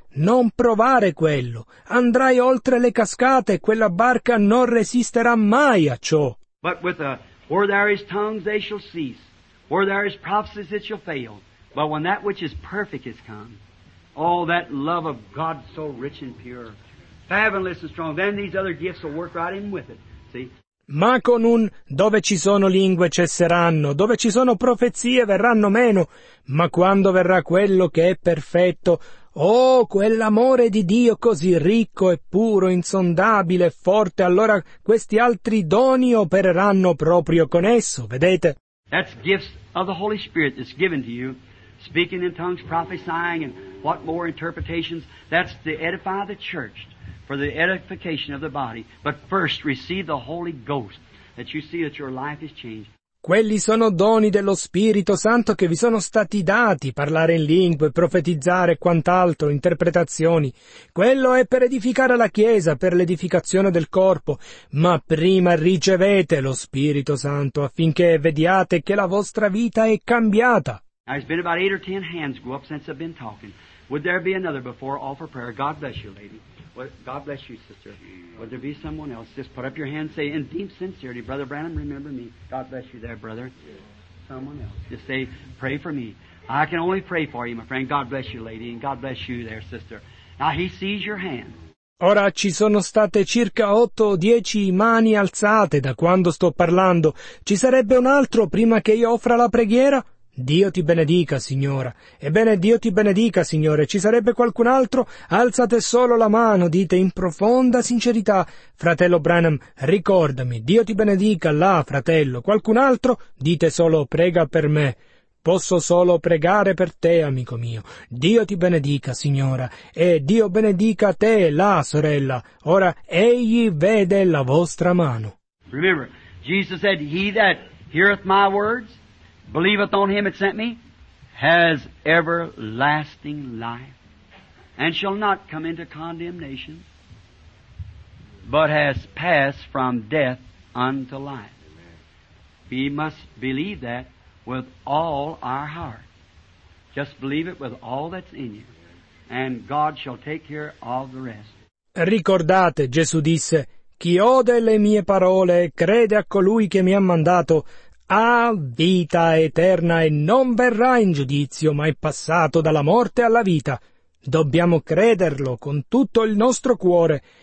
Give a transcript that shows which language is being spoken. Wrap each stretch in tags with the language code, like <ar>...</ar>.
<it>Non provare quello. Andrai oltre le cascate e quella barca non resisterà mai a ciò.</it> <en>But with a, where there is tongues, they shall cease. Where there is prophecies, it shall fail. But when that which is perfect is come, all that love of God so rich and pure, fathomless and strong, then these other gifts will work right in with it. See?</en> <it>Ma con un dove ci sono lingue cesseranno, dove ci sono profezie verranno meno, ma quando verrà quello che è perfetto, Oh, quell'amore di Dio così ricco e puro, insondabile e forte, allora questi altri doni opereranno proprio con esso, vedete?</it> <en>That's gifts of the Holy Spirit that's given to you, speaking in tongues, prophesying, and what more interpretations. That's to edify the church for the edification of the body. But first receive the Holy Ghost, that you see that your life is changed.</en> <it>Quelli sono doni dello Spirito Santo che vi sono stati dati, parlare in lingue, profetizzare e quant'altro, interpretazioni. Quello è per edificare la Chiesa, per l'edificazione del corpo. Ma prima ricevete lo Spirito Santo affinché vediate che la vostra vita è cambiata.</it> <en>Now, it's been about 8 or 10 hands go up since I've been talking. Would there be another before all for prayer? God bless you, lady. God bless you, sister. Would there be someone else? Just put up your hand and say, in deep sincerity, Brother Branham, remember me. God bless you there, brother. Someone else. Just say, pray for me. I can only pray for you, my friend. God bless you, lady, and God bless you there, sister. Now, he sees your hand.</en> <it>Ora ci sono state circa 8 o 10 mani alzate da quando sto parlando. Ci sarebbe un altro prima che io offra la preghiera? Dio ti benedica, signora. Ebbene, Dio ti benedica, signore. Ci sarebbe qualcun altro? Alzate solo la mano, dite in profonda sincerità. Fratello Branham, ricordami. Dio ti benedica, là, fratello. Qualcun altro? Dite solo, prega per me. Posso solo pregare per te, amico mio. Dio ti benedica, signora. E Dio benedica te, là, sorella. Ora, egli vede la vostra mano.</it> <en>Remember, Jesus said, he that heareth my words, believeth on him that sent me, has everlasting life, and shall not come into condemnation, but has passed from death unto life. Amen. We must believe that with all our heart. Just believe it with all that's in you, and God shall take care of the rest.</en> <it>Ricordate, Gesù disse, chi ode le mie parole e crede a colui che mi ha mandato, ha vita eterna e non verrà in giudizio, ma è passato dalla morte alla vita. Dobbiamo crederlo con tutto il nostro cuore.</it>